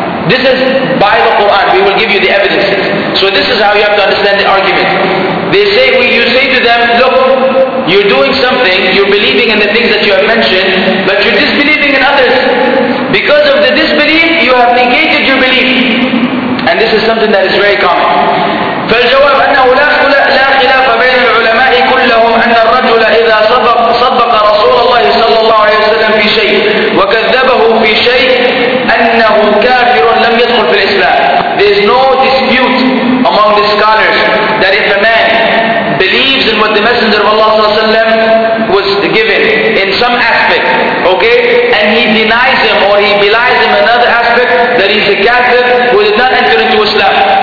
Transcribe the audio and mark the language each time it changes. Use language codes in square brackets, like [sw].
[en] This is by the Quran. We will give you the evidences. So this is how you have to understand the argument. They say, you say to them, look, you're doing something, you're believing in the things that you have mentioned, but you're disbelieving in others. Because of the disbelief, you have negated your belief. And this is something that is very common. [ar] فالجواب أنه لا خلاف بين العلماء كلهم أن الرجل إذا صدق رسول الله صلى الله عليه وسلم في شيء وكذبه في شيء أنه كافر لم يدخل في الإسلام. [en] There is no dispute among the scholars that if a man believes in what the Messenger of Allah صلى الله عليه وسلم was given in some aspect, okay, and he denies him or he belies him in another aspect, that he's a kafir who did not enter into Islam.